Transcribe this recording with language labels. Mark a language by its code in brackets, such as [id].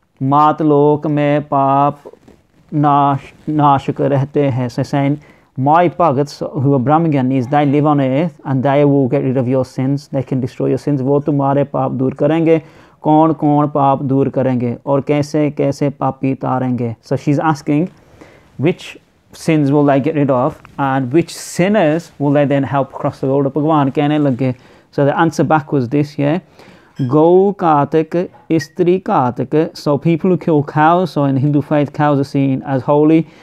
[hi] मात लोक में पाप नाश नाशक रहते हैं. [en] So saying, my bhagats who are brahmagyanis, they live on earth and they will get rid of your sins. They can destroy your sins. [hi] वो तुम्हारे पाप दूर करेंगे. कौन कौन पाप दूर करेंगे और कैसे कैसे पापी तारेंगे. [en] So she's asking, which sins will they get rid of and which sinners will they then help cross the road? भगवान कहने लगे. So the answer back was this, yeah. [hi] Gau katak, istri katak. [en] So people who kill cows, so in Hindu faith, cows are seen as holy.